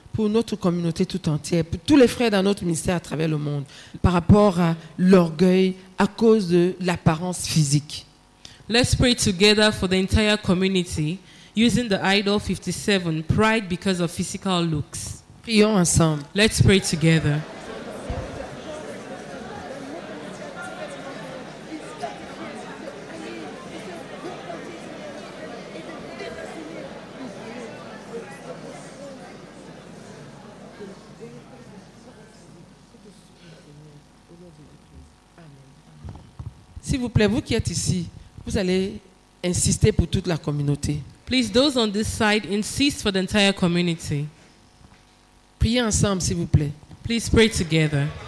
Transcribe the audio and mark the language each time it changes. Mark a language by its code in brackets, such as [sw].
[fr] pour notre communauté tout entière, pour tous les frères dans notre ministère à travers le monde, par rapport à l'orgueil à cause de l'apparence physique. [en] Let's pray together for the entire community using the idol 57, pride because of physical looks. [fr] Prions ensemble. [en] Let's pray together. [fr] S'il vous plaît, vous qui êtes ici, vous allez insister pour toute la communauté. [en] Please, those on this side, insist for the entire community. [fr] Priez ensemble, s'il vous plaît. [en] Please pray together.